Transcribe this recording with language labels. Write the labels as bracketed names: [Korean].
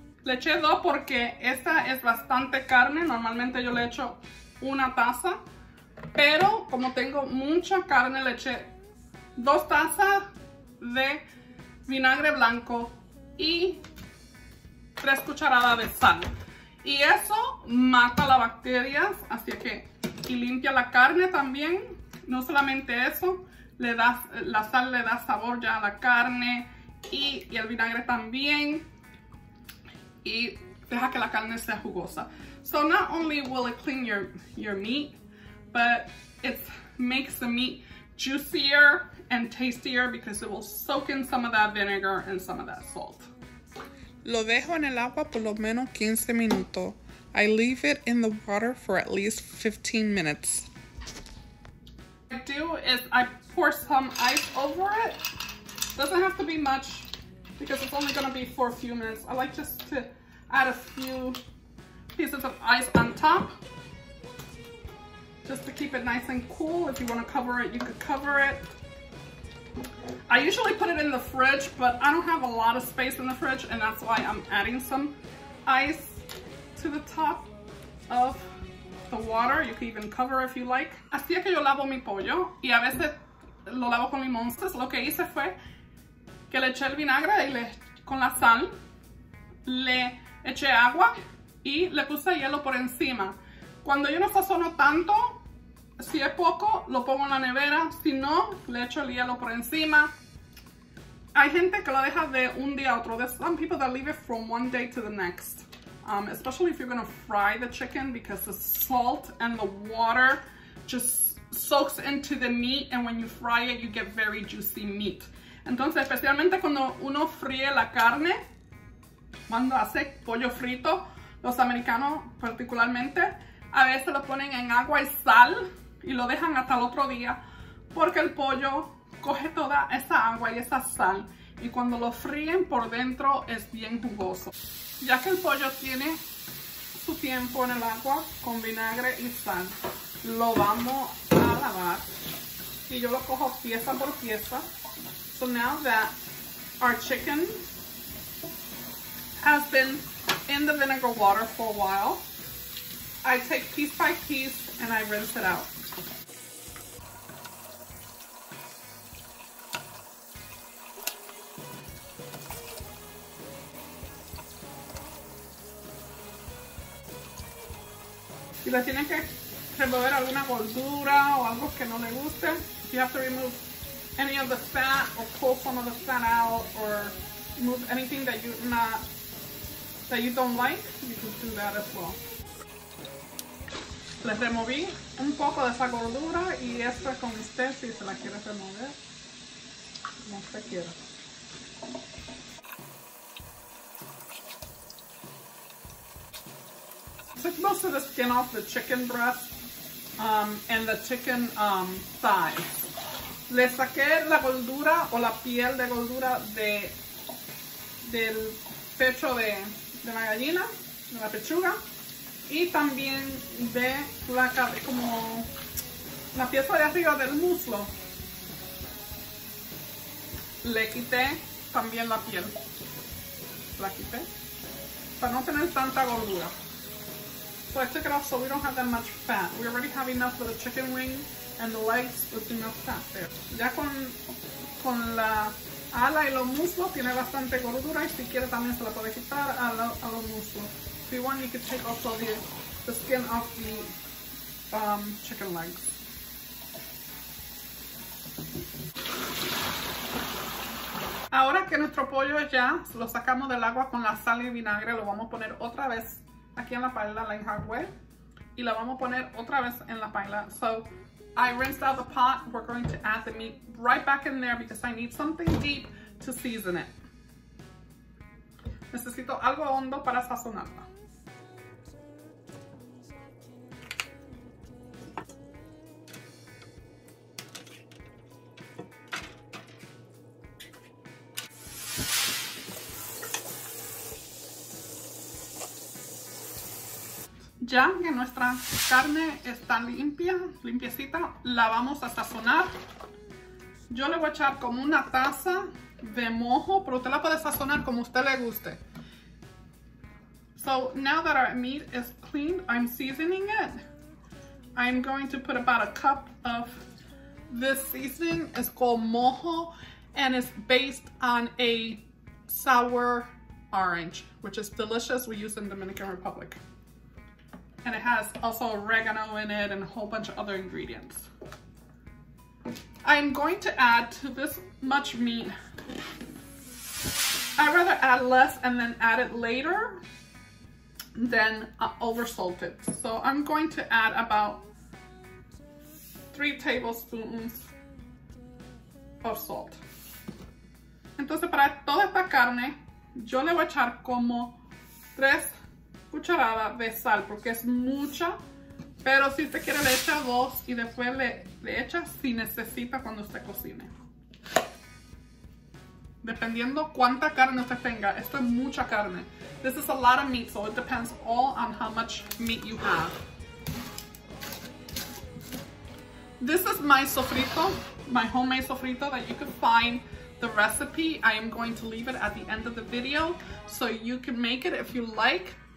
[Spanish] Le eché dos porque esta es bastante carne. Normalmente yo le echo una taza, pero como tengo mucha carne, le eché dos tazas de vinagre blanco y tres cucharadas de sal. Y eso mata las bacterias, así que y limpia la carne también. No solamente eso, le da, la sal le da sabor ya a la carne y el vinagre también. Y deja que la carne sea jugosa. [English] So not only will it clean your meat, but it makes the meat juicier and tastier because it will soak in some of that vinegar and some of that salt. [Spanish] Lo dejo en el agua por lo menos 15 minutos. [English] I leave it in the water for at least 15 minutes. What I do is I pour some ice over it. Doesn't have to be much because it's only gonna be for a few minutes. I like just to add a few pieces of ice on top just to keep it nice and cool. If you wanna cover it, you could cover it. I usually put it in the fridge, but I don't have a lot of space in the fridge, and that's why I'm adding some ice to the top of the water. You can even cover it if you like. [Spanish] Así es que yo lavo mi pollo, y a veces lo lavo con limón. Entonces, lo que hice fue que le eché el vinagre y le, con la sal, le eché agua y le puse hielo por encima. Cuando yo no sazono tanto, si es poco, lo pongo en la nevera. Si no, le echo el hielo por encima. Hay gente que lo deja de un día a otro. [English] There's some people that leave it from one day to the next. Especially if you're gonna fry the chicken, because the salt and the water just soaks into the meat, and when you fry it, you get very juicy meat. [Spanish] Entonces, especialmente cuando uno fríe la carne, cuando hace pollo frito, los americanos particularmente, a veces lo ponen en agua y sal y lo dejan hasta el otro día, porque el pollo coge toda esa agua y esa sal, y cuando lo fríen por dentro es bien jugoso. Ya que el pollo tiene su tiempo en el agua con vinagre y sal, lo vamos a lavar, y yo lo cojo pieza por pieza. [English] So now that our chicken has been in the vinegar water for a while, I take piece by piece and I rinse it out. [Spanish] Y la tienen que remover alguna gordura o algo que no le guste. [English] You have to remove any of the fat or pull some of the fat out, or remove anything that you're not, that you don't like. You can do that as well. [Spanish] Le removí un poco de esa gordura y esto es con usted si se la quiere remover. Como usted quiera. [English] Take most of the skin off the chicken breast and the chicken thigh. [Spanish] Le saqué la gordura o la piel de gordura del pecho de la gallina, de la pechuga, y también de la cabeza, como la pieza de arriba del muslo. Le quité también la piel. La quité para no tener tanta gordura. [English] So I took it off so we don't have that much fat. We already have enough for the chicken wing and the legs with enough fat there. [Spanish] Ya con la ala y los muslos tiene bastante gordura, y si quiere también se la puede quitar a los muslos. [English] If you want, you can take also the skin off the chicken legs. [Spanish] Ahora que nuestro pollo ya lo sacamos del agua con la sal y vinagre, lo vamos a poner otra vez aquí en la paila, la enjuague, y la vamos a poner otra vez en la paila. [English] So I rinsed out the pot. We're going to add the meat right back in there because I need something deep to season it. [Spanish] Necesito algo hondo para sazonarla. Ya que nuestra carne está limpia, limpiecita, la vamos a sazonar. Yo le voy a echar como una taza de mojo, pero usted la puede sazonar como usted le guste. [English] So now that our meat is cleaned, I'm seasoning it. I'm going to put about a cup of this seasoning. It's called mojo, and it's based on a sour orange, which is delicious. We use in Dominican Republic. And it has also oregano in it and a whole bunch of other ingredients. I'm going to add to this much meat. I'd rather add less and then add it later than oversalt it. So I'm going to add about 3 tablespoons of salt. [Spanish] Entonces para toda esta carne, yo le voy a echar como 3 cucharadas de sal, porque es mucha, pero si usted quiere le echa 2 y después le echa si necesita cuando usted cocine. Dependiendo cuánta carne usted tenga, esto es mucha carne. [English] This is a lot of meat, so it depends all on how much meat you have. This is my sofrito, my homemade sofrito that you can find the recipe. I am going to leave it at the end of the video so you can make it if you like.